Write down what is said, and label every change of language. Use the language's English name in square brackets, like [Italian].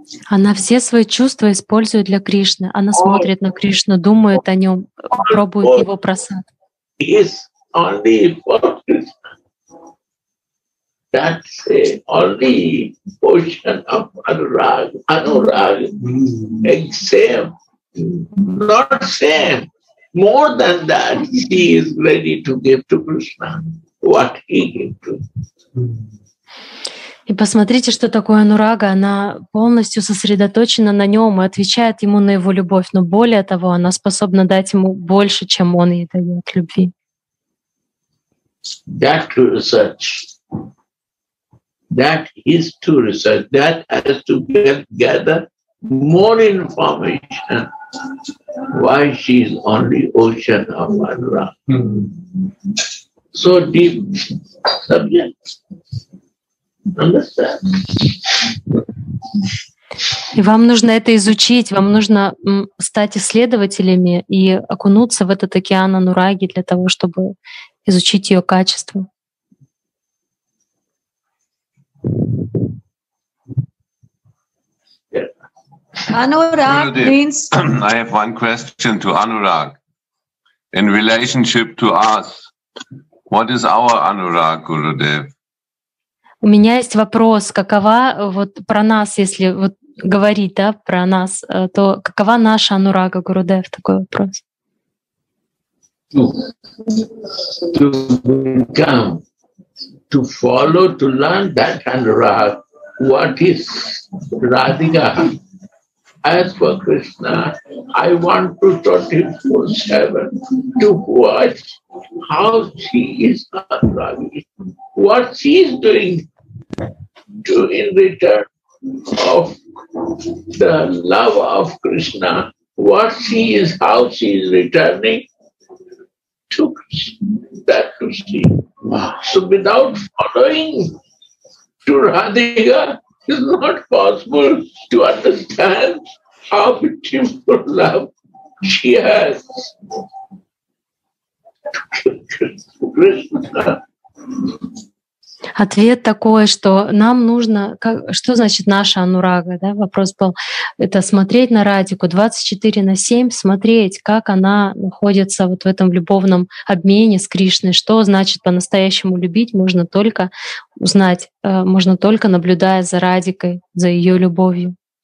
[Russian] Она все свои чувства использует для Кришны. Она смотрит на Кришну, думает о нем, пробует его просад. [English] Is only for Krishna. That's the only portion of anurag, anurag, except, not same, more than that, she is ready to give to Krishna what he gave to. [Russian] И посмотрите, что такое анурага. Она полностью сосредоточена на нем и отвечает ему на его любовь. Но более того, она способна дать ему больше, чем он ей дает любви. [English] That research, that is to research, that has to gather more information why she is on the ocean of anurag. So deep subject. [Russian] И вам нужно это изучить, вам нужно стать исследователями и окунуться в этот океан анураги для того, чтобы изучить ее качество. [English] Anurag means. I have one question to Anurag in relationship to us. What is our anurag, Gurudev? [Russian] У меня есть вопрос, какова вот про нас, если вот говорить, да, про нас, то какова наша анурага, Гурудев, такой вопрос? [English] To become, to follow, to learn that anurag, what is Radhika? As for Krishna, I want to 24/7 to watch how she is anuragi, what she is doing. To in return of the love of Krishna, what she is, how she is returning to Krishna, that to see. So without following to Radhika, it's not possible to understand how beautiful love she has to Krishna. [Russian] Ответ такой, что нам нужно, как, что значит наша анурага, да, вопрос был, это смотреть на Радику 24/7, смотреть, как она находится вот в этом любовном обмене с Кришной, что значит по-настоящему любить, можно только узнать, можно только наблюдая за Радикой, за ее любовью.